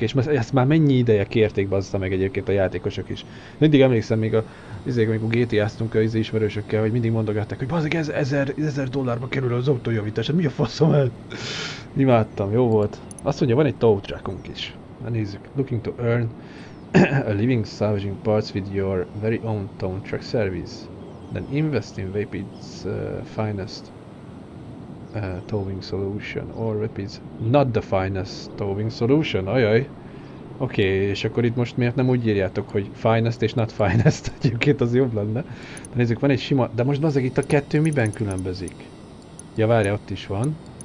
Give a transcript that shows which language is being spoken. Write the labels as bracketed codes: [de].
[hu] És ezt már mennyi ideje kérték bazza meg egyébként a játékosok is. Mindig emlékszem még amikor GTA-ztunk az ismerősökkel, hogy mindig mondogatták, hogy bazzik, ez ezer dollárba kerül az autójavítás, hát mi a faszom el? Imádtam, jó volt. Azt mondja, van egy tow truckunk is. Na nézzük. [en] Looking to earn a living salvaging parts with your very own tow truck service. Then invest in Vapid's finest towing solution, or Rapids, not the finest towing solution, ajaj. [hu] Oké, és akkor itt most miért nem úgy írjátok, hogy finest és not finest, egyébként az jobb lenne. De nézzük, van egy sima, de most bazeg, itt a kettő miben különbözik? Ja, várja, ott is van.